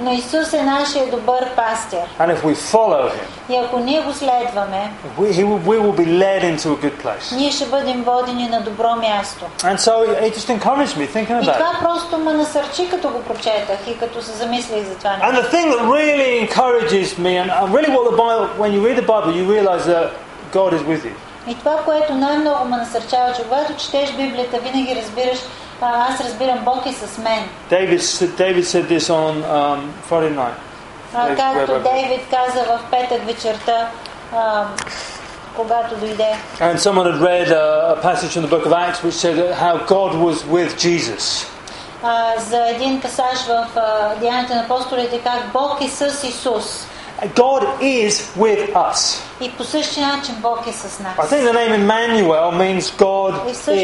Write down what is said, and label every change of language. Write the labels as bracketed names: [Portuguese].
[English] And if we follow him, we will be led into a good place. And so it just encouraged me thinking about it. And the thing that really encourages me, and really what the Bible, when you read the Bible, you realize that God is with you. [Bulgarian] И това, което най-много ме насърчава, че когато четеш Библията, винаги разбираш, аз разбирам, Бог е с мен. [English] David said this on Friday night. [Bulgarian] Както Дейвид каза в петък вечерта, когато дойде. [English] And someone had read a passage in the book of Acts which said how God was with Jesus. [Bulgarian] За един пасаж в Деяните на апостолите, как Бог е с Исус. [English] God is with us. [Bulgarian] И по същия начин Бог е с нас. [English] I think the name Emmanuel means God is